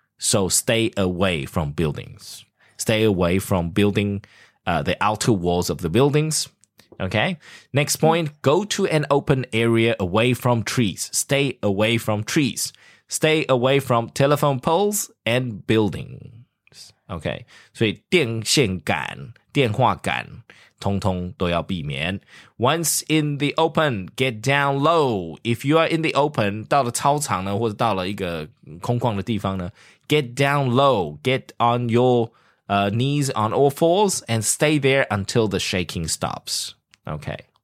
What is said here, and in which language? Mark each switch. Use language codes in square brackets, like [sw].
[en] So stay away from buildings. Stay away from building the outer walls of the buildings. Okay. Next point, go to an open area away from trees. Stay away from trees. Stay away from telephone poles and buildings. [zh] Okay, 所以电线杆、电话杆，通通都要避免。 [en] Once in the open, get down low. If you are in the open, [zh] 到了操场呢，或者到了一个空旷的地方呢 [en] ，get down low, get on your knees on all fours and stay there until the shaking stops. Okay.